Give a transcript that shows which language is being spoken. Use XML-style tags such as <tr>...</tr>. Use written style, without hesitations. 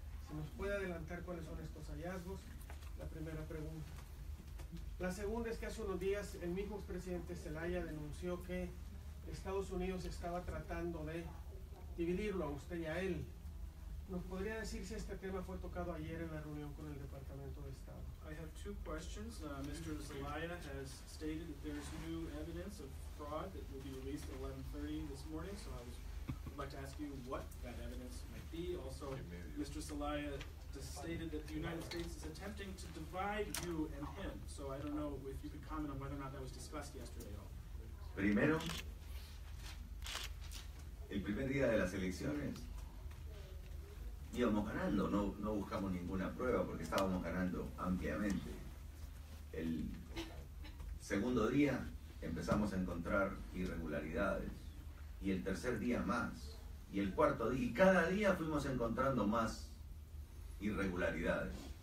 <es>Si nos puede adelantar cuáles son estos hallazgos, la primera pregunta. La segunda es que hace unos días el mismo expresidente Zelaya denunció que Estados Unidos estaba tratando de dividirlo a usted y a él. ¿Nos podría decir si este tema fue tocado ayer en la reunión con el Departamento de Estado?</es> <en>I have two questions. Mr. Zelaya has stated that there is new evidence of fraud that will be released at 11:30 this morning, so I would like to ask you what that evidence might be. Also, Mr. Zelaya stated that the United States is attempting to divide you and him. So I don't know if you could comment on whether or not that was discussed yesterday at all.</en> <es>Primero, el primer día de las elecciones íbamos ganando, no buscamos ninguna prueba porque estábamos ganando ampliamente. El segundo día empezamos a encontrar irregularidades, y el tercer día más, y el cuarto día, y cada día fuimos encontrando más irregularidades.</es>